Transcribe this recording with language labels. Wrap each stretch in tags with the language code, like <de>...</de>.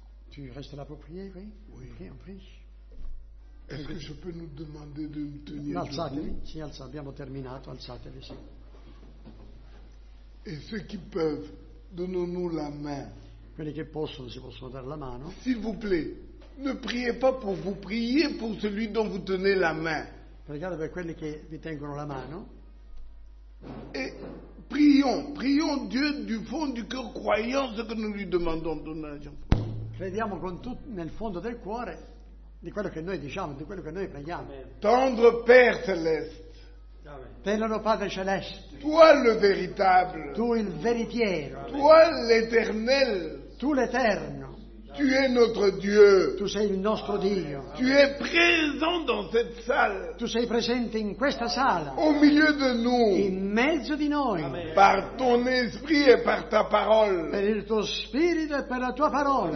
<fr>Tu restes là pour prier, oui? Oui. On prie. Est-ce que je peux nous demander de nous tenir debout?</fr> <it>Alzatevi, si, alzatevi, abbiamo terminato, alzatevi, si.</it> <fr>Et ceux qui peuvent, donnons-nous la main.</fr> <it>Quelli che possono, si possono dare la mano.</it> <fr>S'il vous plaît, ne priez pas pour vous, priez pour celui dont vous tenez la main.</fr> <it>Pregate per quelli che vi tengono la mano.</it> <fr>Et prions Dieu du fond du cœur, croyant ce que nous lui demandons.</fr> <it>Crediamo con tutto nel fondo del cuore di quello che noi diciamo, di quello che noi preghiamo.</it> <fr>Tendre Père Céleste.</fr> <it>Tenero Padre Celeste.</it> <fr>Toi le véritable.</fr> <it>Tu il veritiero.</it> <fr>Toi l'éternel.</fr> <it>Tu l'eterno.</it> <fr>Tu es notre Dieu.</fr> <it>Tu sei il nostro Dio.</it> <fr>Tu es présent dans cette salle.</fr> <it>Tu sei presente in questa sala.</it> <fr>Au milieu de nous.</fr> <it>In mezzo di noi.</it> <fr>Par ton esprit et par ta parole.</fr> <it>Per il tuo spirito e per la tua parola.</it>